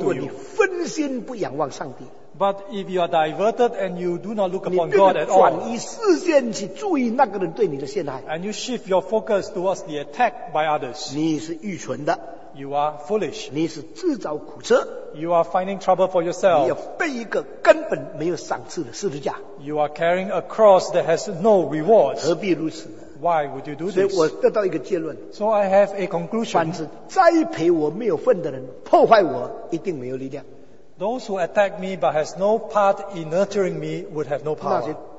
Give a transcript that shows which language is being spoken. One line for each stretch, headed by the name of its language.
Chinese: 如果你分心不仰望上帝，
English: but if you are diverted and you do not look upon God at all,
Chinese: 你转移视线去注意那个人对你的陷害，
English: and you shift your focus towards the attack by others,
Chinese: 你是愚蠢的，
English: you are foolish,
Chinese: 你是自找苦吃，
English: you are finding trouble for yourself,
Chinese: 你要背一个根本没有赏赐的十字架，
English: you are carrying a cross that has no rewards.
Chinese: 何必如此？
English: Why would you do this?
Chinese: 所以我得到一个结论，
English: so I have a conclusion.
Chinese: 凡是栽培我没有份的人，破坏我一定没有力量。
English: Those who attack me but has no part in nurturing me would have no power.